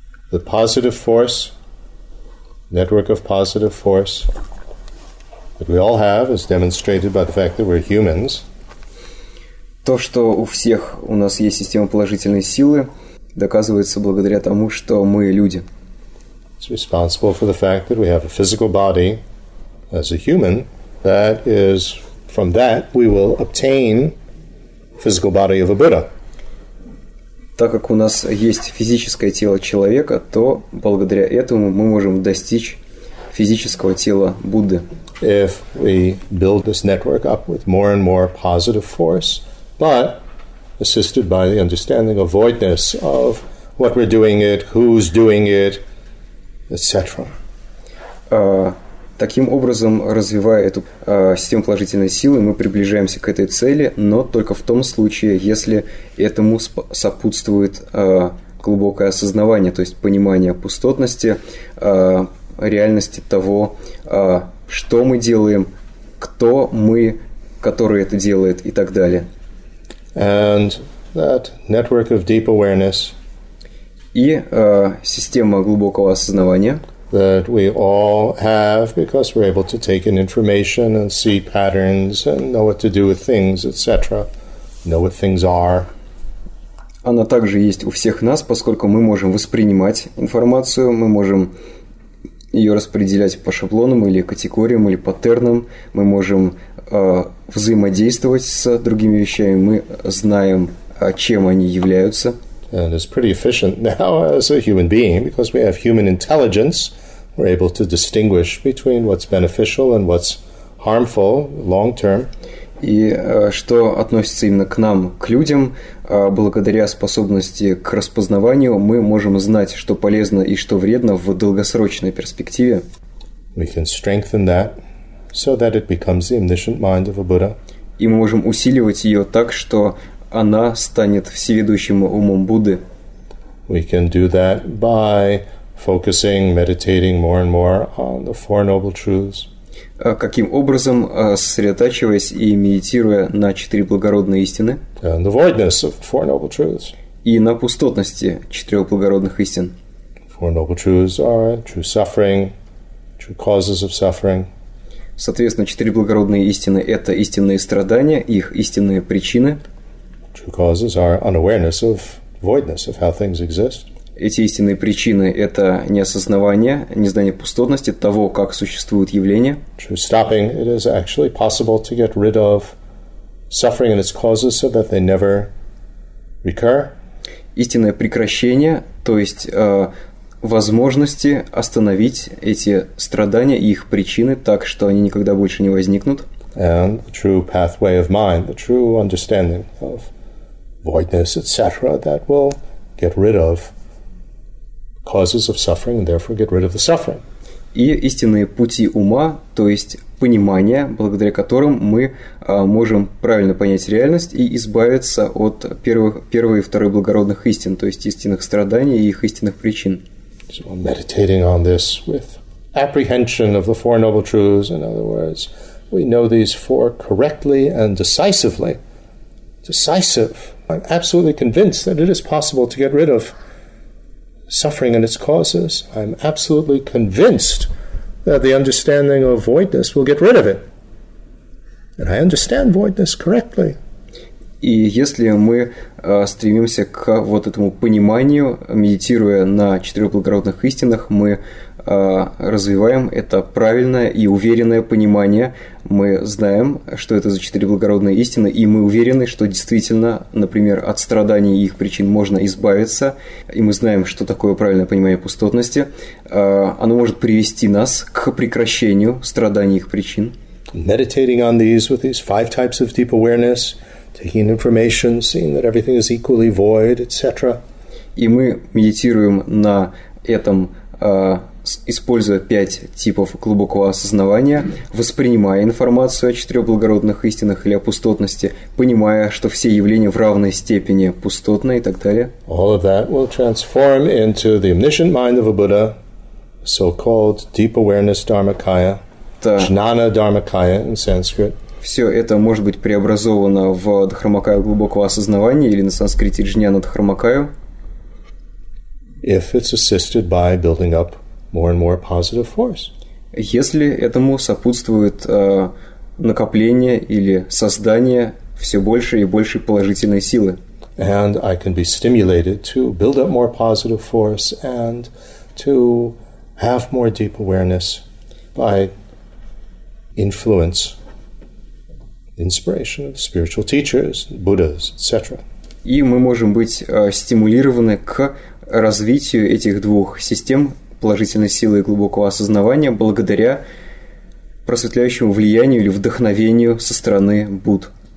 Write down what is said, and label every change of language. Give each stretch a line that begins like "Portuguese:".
English: The positive force, network of positive force that we all have is demonstrated by the fact that we're humans.
Russian: То, что у всех у нас есть система положительной силы, доказывается благодаря тому, что мы люди.
English: It's responsible for the fact that we have a physical body as a human, that is from that we will obtain physical body of a Buddha.
Russian: Так как у нас есть физическое тело человека, то благодаря этому мы можем достичь физического тела Будды.
English: If we build this network up with more and more positive force, but assisted by the understanding of voidness of what we're doing it, who's doing it, etc.
Russian: Таким образом, развивая эту систему положительной силы, мы приближаемся к этой цели, но только в том случае, если этому сопутствует глубокое осознавание, то есть понимание пустотности, реальности того, что мы делаем, кто мы, который это делает и так далее.
English: And that network of deep awareness.
Russian: И система глубокого осознавания,
English: that we all have because we're able to take in information and see patterns and know what to do with things, etc. Know what things are.
Russian: Она также есть у всех нас, поскольку мы можем воспринимать информацию, мы можем ее распределять по шаблонам или категориям или паттернам, мы можем взаимодействовать с другими вещами, мы знаем, чем они являются.
English: And it's pretty efficient now as a human being because we have human intelligence. We're able to distinguish between what's beneficial and what's harmful long term.
Russian: И что относится именно к нам, к людям, благодаря способности к распознаванию, мы можем знать, что полезно и что вредно в долгосрочной перспективе.
English: We can strengthen that so that it becomes the omniscient mind of a Buddha.
Russian: И мы можем усиливать ее так, что она станет всеведущим умом Будды.
English: We can do that by focusing, meditating more and more on the Four Noble Truths.
Russian: Каким образом, сосредотачиваясь и медитируя на четыре благородные истины?
English: And the voidness of Four Noble Truths.
Russian: И на пустотности четырех благородных истин.
English: Four Noble Truths are true suffering, true causes of suffering.
Russian: Соответственно, четыре благородные истины – это истинные страдания, их истинные причины.
English: True causes are unawareness of voidness of how things exist.
Russian: Эти истинные причины – это неосознавание, незнание пустотности того, как существуют явления.
English: True stopping, it is actually possible to get rid of suffering and its causes so that they never recur.
Russian: Истинное прекращение, то есть возможности остановить эти страдания и их причины так, что они никогда больше не возникнут.
English: And the true pathway of mind, the true understanding of voidness, etc., that will get rid of causes of suffering, and therefore get rid of the suffering.
Russian: И истинные пути ума, то есть понимание, благодаря которым мы можем правильно понять реальность и избавиться от первой и второй благородных истин, то есть истинных страданий и их истинных причин.
English: So I'm meditating on this with apprehension of the Four Noble Truths. In other words, we know these four correctly and decisively. decisive. I'm absolutely convinced that it is possible to get rid of suffering and its causes. I'm absolutely convinced that the understanding of voidness will get rid of it. And I understand voidness correctly.
Russian: И если мы стремимся к вот этому пониманию, медитируя на четырех благородных истинах, мы развиваем это правильное и уверенное понимание. Мы знаем, что это за четыре благородные истины, и мы уверены, что действительно, например, от страданий и их причин можно избавиться. И мы знаем, что такое правильное понимание пустотности. Оно может привести нас к прекращению страданий и их причин.
English: Meditating on these with these five types of deep awareness, taking information, seeing that everything is equally void, etc.
Russian: И мы медитируем на этом, используя пять типов глубокого осознавания, воспринимая информацию о четырех благородных истинах или о пустотности, понимая, что все явления в равной степени пустотны и так далее.
English: All of that will transform into the omniscient mind of a Buddha, so-called deep awareness dharmakaya, jnana dharmakaya in Sanskrit.
Russian: Все это может быть преобразовано в дхармакаю глубокого осознавания или на санскрите джняна дхармакаю.
English: If it's assisted by building up more and more positive force.
Russian: Если этому сопутствует накопление или создание все больше и больше положительной силы.
English: And I can be stimulated to build up more positive force and to have more deep awareness by influence. Inspiration of spiritual teachers, Buddhas, etc.
Russian: И мы можем быть стимулированы к развитию этих двух систем положительной силы и глубокого осознавания благодаря просветляющему влиянию или вдохновению со стороны Будд.